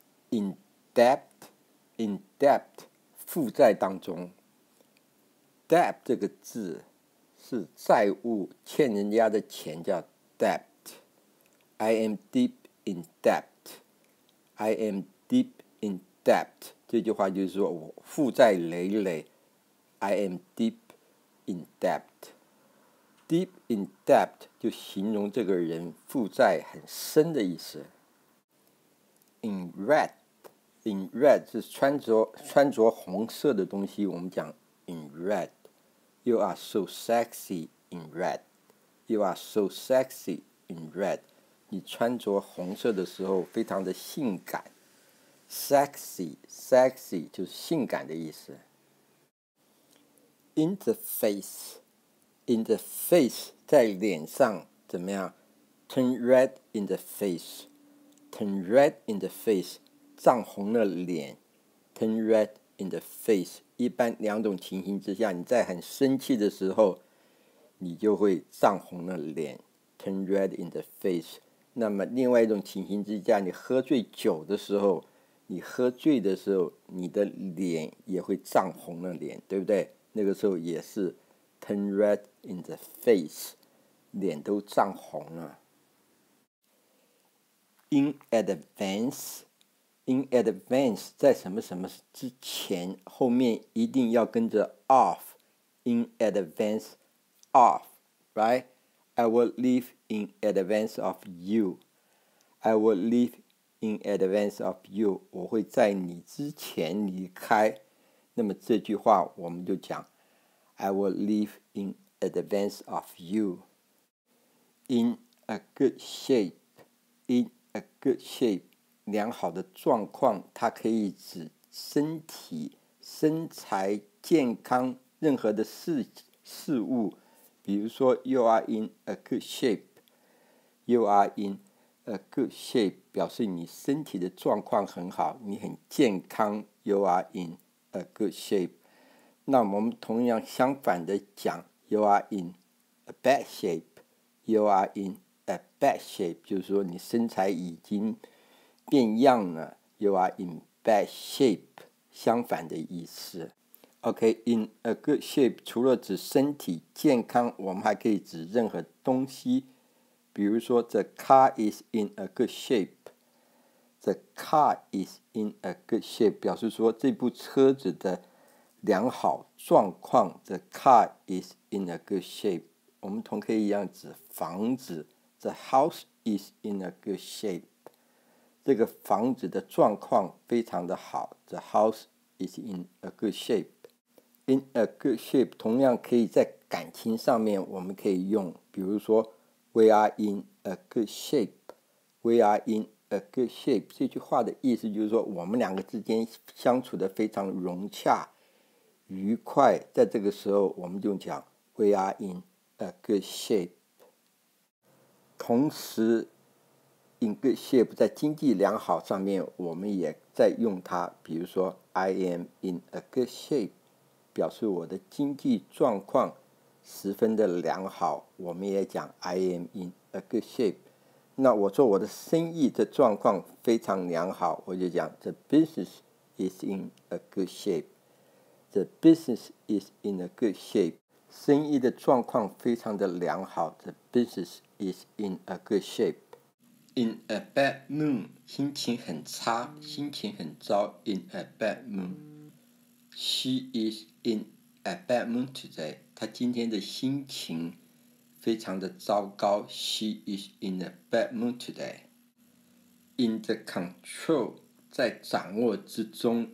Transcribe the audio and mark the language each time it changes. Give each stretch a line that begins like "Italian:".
English: In debt， in debt，
Chinese: 负债当中。 debt 这个字是债务，欠人家的钱叫 debt。
English: I am deep in debt， I am deep in debt，
Chinese: 这句话就是说我负债累累。
English: I am deep in debt， deep in debt
Chinese: 就形容这个人负债很深的意思。
English: in red， in red
Chinese: 是穿着红色的东西，我们讲 in red。
English: You are so sexy in red， you are so sexy in red，
Chinese: 你穿着红色的时候非常的性感。
English: Sexy， sexy
Chinese: 就是性感的意思。
English: In the face， in the face
Chinese: 在脸上怎么样？
English: Turn red in the face， turn red in the face，
Chinese: 涨红了脸。
English: Turn red in the face，
Chinese: 一般两种情形之下，你在很生气的时候你就会涨红了脸。
English: Turn red in the face。
Chinese: 那么另外一种情形之下，你喝醉酒的时候，你喝醉的时候你的脸也会涨红了脸，对不对？那个时候也是
English: turn red in the face，
Chinese: 脸都涨红了。
English: in advance， in advance
Chinese: 在什么什么之前，后面一定要跟着 of。
English: in advance of， right？ I will live in advance of you， I will live in advance of you，
Chinese: 我会在你之前离开。那么这句话我们就讲
English: I will leave in advance of you。 In a good shape， In a good shape，
Chinese: 良好的状况，它可以指身体、身材、健康，任何的 事物。比如说
English: You are in a good shape， You are in a good shape
Chinese: 表示你身体的状况很好，你很健康。
English: You are in a good shape。
Chinese: 那我们同样相反的讲
English: You are in a bad shape， You are in a bad shape，
Chinese: 就是说你身材已经变样了。
English: You are in bad shape，
Chinese: 相反的意思。 OK，
English: in a good shape
Chinese: 除了指身体健康，我们还可以指任何东西。比如说
English: The car is in a good shape， The car is in a good shape
Chinese: 表示说这部车子的良好状况。
English: The car is in a good shape，
Chinese: 我们同可以一样指房子。
English: The house is in a good shape，
Chinese: 这个房子的状况非常的好。
English: The house is in a good shape。 In a good shape
Chinese: 同样可以在感情上面我们可以用，比如说
English: We are in a good shape，
Chinese: We are in a good shape， 这句话的意思就是说我们两个之间相处得非常融洽愉快。在这个时候我们就讲
English: We are in a good shape。
Chinese: 同时
English: In good shape
Chinese: 在经济良好上面我们也在用它，比如说
English: I am in a good shape，
Chinese: 表示我的经济状况十分的良好，我们也讲 I am in a good shape。那我说我的生意的状况非常良好，我就讲
English: The business is in a good shape， The business is in a good shape，
Chinese: 生意的状况非常的良好，
English: The business is in a good shape。 In a bad mood，
Chinese: 心情很差，心情很糟。
English: In a bad mood，She is in a bad mood today，
Chinese: 她今天的心情非常的糟糕。
English: She is in a bad mood today。 In the control，
Chinese: 在掌握之中。